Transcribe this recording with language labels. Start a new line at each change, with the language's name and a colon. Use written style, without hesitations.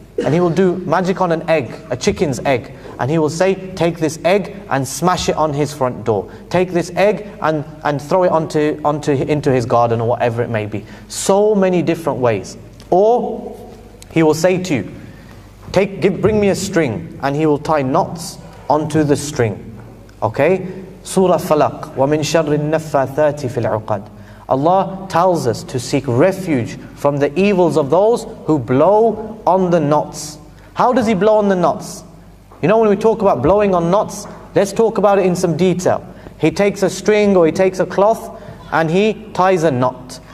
English: And he will do magic on an egg, a chicken's egg. And he will say, take this egg and smash it on his front door. Take this egg and throw it into his garden or whatever it may be. So many different ways. Or he will say to you, bring me a string. And he will tie knots onto the string. Okay?
Arabic: Surah Falaq, وَمِن شَرِّ النَّفَّاثَاتِ فِي الْعُقَدِ.
English: Allah tells us to seek refuge from the evils of those who blow on the knots. How does he blow on the knots? You know, when we talk about blowing on knots, let's talk about it in some detail. He takes a string or he takes a cloth and he ties a knot.